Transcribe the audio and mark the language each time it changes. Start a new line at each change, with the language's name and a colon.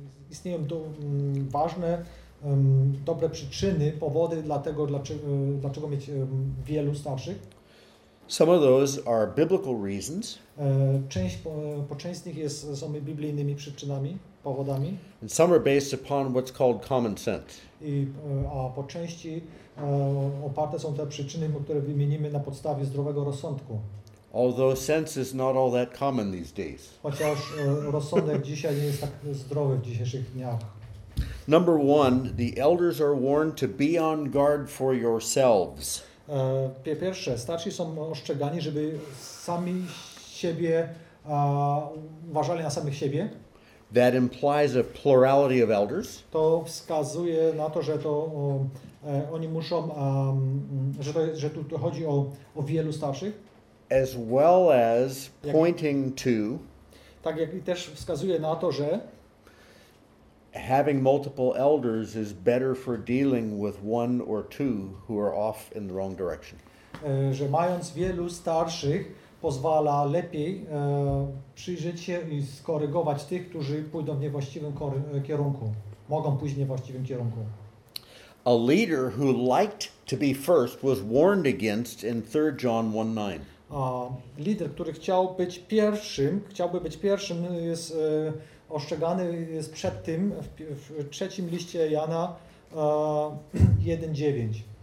Polish: Istnieją ważne, dobre przyczyny, powody dlaczego mieć wielu starszych.
English: Some of those are biblical reasons.
Polish: Część z nich są biblijnymi przyczynami, powodami.
English: And some are based upon what's called common sense.
Polish: A po części oparte są te przyczyny, które wymienimy na podstawie zdrowego rozsądku.
English: Although sense is not all that common these days.
Polish: Chociaż rozsądek dzisiaj nie jest tak zdrowy w dzisiejszych dniach.
English: Number one, the elders are warned to be on guard for yourselves.
Polish: Pierwsze, starsi są ostrzegani, żeby sami siebie uważali na samych siebie.
English: That implies a plurality of elders.
Polish: To wskazuje na to, że to oni muszą, że tu chodzi o wielu starszych.
English: As well as pointing to.
Polish: Tak jak i też wskazuje na to, że
English: having multiple elders is better for dealing with one or two who are off in the wrong direction.
Polish: Że mając wielu starszych pozwala lepiej przyjrzeć się i skorygować tych, którzy pójdą w niewłaściwym kierunku. Mogą pójść w niewłaściwym kierunku.
English: A leader who liked to be first was warned against in 3 John 1:9.
Polish: A lider, który chciałby być pierwszym, jest ostrzegany jest przed tym w trzecim liście Jana 1:9.